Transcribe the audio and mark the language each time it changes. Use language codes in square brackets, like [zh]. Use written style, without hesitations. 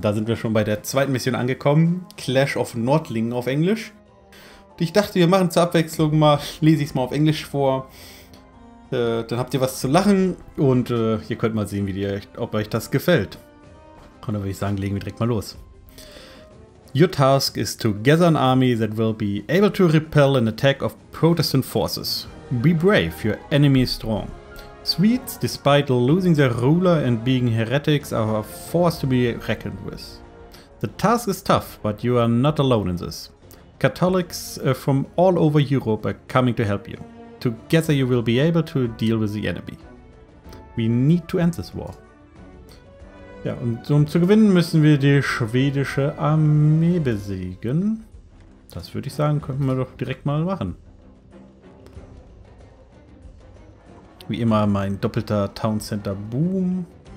[de] Da sind wir schon bei der zweiten Mission angekommen. Clash of Nordlingen auf Englisch. Und ich dachte, wir machen zur Abwechslung mal, lese ich es mal auf Englisch vor. Dann habt ihr was zu lachen und ihr könnt mal sehen, ob euch das gefällt. Und dann würde ich sagen, legen wir direkt mal los. [en] Your task is to gather an army that will be able to repel an attack of Protestant forces. Be brave, your enemy is strong. Swedes, despite losing their ruler and being heretics, are a force to be reckoned with. The task is tough, but you are not alone in this. Catholics from all over Europe are coming to help you. Together you will be able to deal with the enemy. We need to end this war. [de] Ja, und um zu gewinnen, müssen wir die schwedische Armee besiegen. Das würde ich sagen, könnten wir doch direkt mal machen. Wie immer mein doppelter Town Center Boom.